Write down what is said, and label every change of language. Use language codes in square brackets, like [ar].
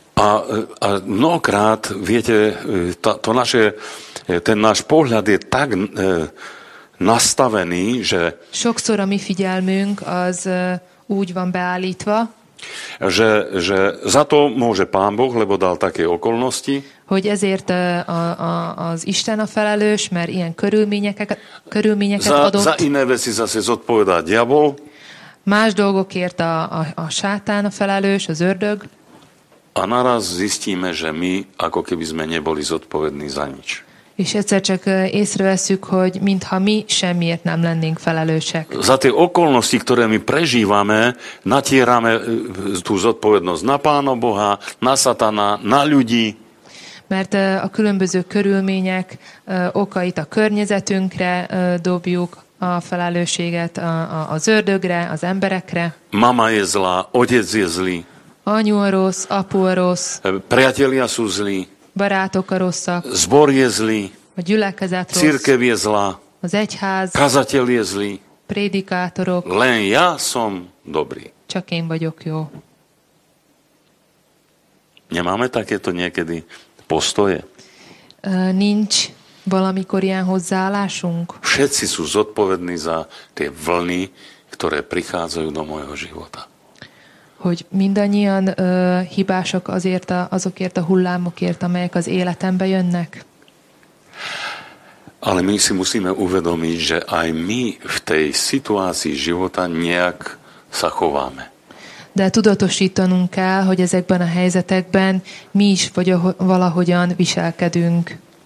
[sk] A mnohokrát, viete, ten náš pohľad je tak nastavený, že... [hu] Sokszor a mi figyelmünk az úgy van beállítva, [sk] že za to môže Pán Boh, lebo dal také okolnosti. [hu] Hogy ezért az Isten a felelős, mert ilyen körülményeket adott. [sk] Za iné veci zase zodpovedá diabol. [hu] Más dolgokért a sátán a felelős, az ördög. [sk] A naraz zistíme, že my ako keby sme neboli zodpovední za nič. [hu] És egyszer csak észreveszük, hogy mintha mi semmiért nem lennénk felelősek. [sk] Za tie okolnosti, ktoré my prežívame, natierame tú zodpovednosť na Pána Boha, na Satana, na ľudí. [hu] Mert a különböző körülmények okait a környezetünkre dobjuk, a felelősséget az ördögre, az emberekre. [sk] Mama je zlá, otec je zlý. [hu] Anyu a rossz, apu a rossz. [sk] Priatelia sú zlí. [hu] Barátok a rosszak. [sk] Zbor je zlý. [hu] A gyülekezet rossz. [sk] Cirkev je zlá. [hu] Az egyház. [sk] Kazateľ je zlý. [hu] Prédikátorok. [sk] Len ja som dobrý. [hu] Csak én vagyok jó. [sk] Nemáme takéto niekedy postoje? [hu] Nincs Valamikor ilyen hozzáállásunk? [sk] Všetci sú zodpovední za tie vlny, ktoré prichádzajú do môjho života. [hu] Hogy mindannyian hibások azért azokért a hullámokért, amelyek az életembe jönnek? [sk] Ale my si musíme uvedomiť, že aj my v tej situácii života nejak sa chováme. [hu] De tudatosítanunk kell, hogy ezekben a helyzetekben mi is vagy valahogyan viselkedünk.